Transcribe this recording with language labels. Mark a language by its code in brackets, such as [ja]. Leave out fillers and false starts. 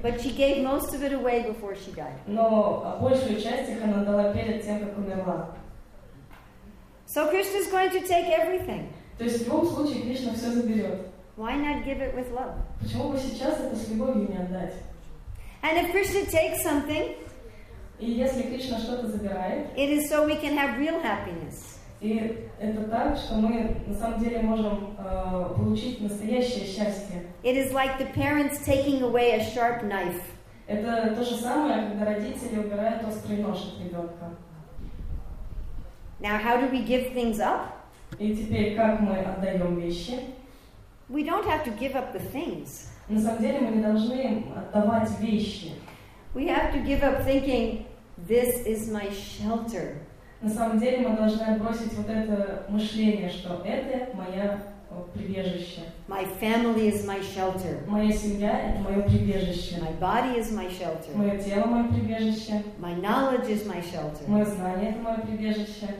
[en] But she gave most of it away before she died. [ru] Но большую часть их она дала перед тем, как умерла. [en] So Krishna is going to take everything. [ru] То есть в любом случае Кришна все заберет. [en] Why not give it with love? [ru] Почему бы сейчас это с любовью не отдать? [en] And if Krishna takes something, [ru] и если Кришна что-то забирает, [en] it is so we can have real happiness. [ru] И это так, что мы на самом деле можем получить настоящее счастье. [en] It is like the parents taking away a sharp knife. [ru] Это то же самое, когда родители убирают острый нож от ребенка. [en] Now, how do we give things up? [ru] И теперь как мы отдаем вещи? [en] We don't have to give up the things. [ru] На самом деле мы не должны отдавать вещи. [en] We have to give up thinking, this is my shelter. [ru] На самом деле мы должны отбросить вот это мышление, что это моя прибежище. [en] My family is my shelter. [ru] Моя семья это мое прибежище. [en] My body is my shelter. [ru] Мое тело мое прибежище. [en] My knowledge is my shelter. [ru] Мое знание это мое прибежище.